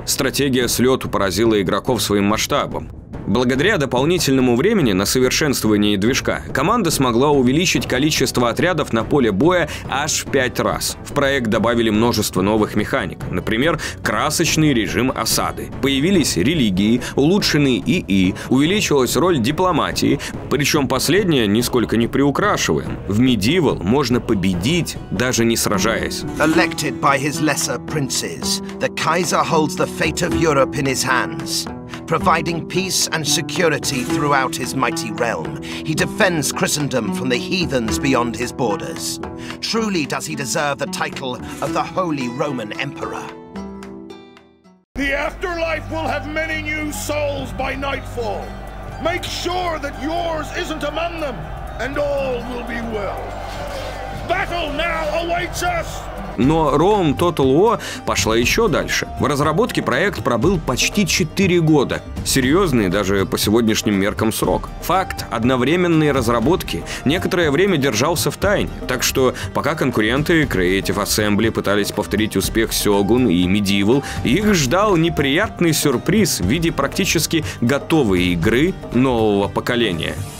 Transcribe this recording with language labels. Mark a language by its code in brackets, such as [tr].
[ru] Стратегия слёту поразила игроков своим масштабом. Благодаря дополнительному времени на совершенствование движка, команда смогла увеличить количество отрядов на поле боя аж в 5 раз. В проект добавили множество новых механик, например, красочный режим осады. Появились религии, улучшенный ИИ, увеличилась роль дипломатии, причем последнее нисколько не приукрашиваем. В Medieval можно победить, даже не сражаясь. [en] Elected by his lesser princes, the Kaiser holds the fate of Europe in his hands. Providing peace and security throughout his mighty realm, he defends Christendom from the heathens beyond his borders. Truly does he deserve the title of the Holy Roman Emperor. The afterlife will have many new souls by nightfall. Make sure that yours isn't among them, and all will be well. Battle now awaits us! [ru] Но Rome Total War пошла еще дальше. В разработке проект пробыл почти 4 года. Серьезный даже по сегодняшним меркам срок. Факт одновременной разработки некоторое время держался в тайне. Так что пока конкуренты Creative Assembly пытались повторить успех Сёгун и Medieval, их ждал неприятный сюрприз в виде практически готовой игры нового поколения.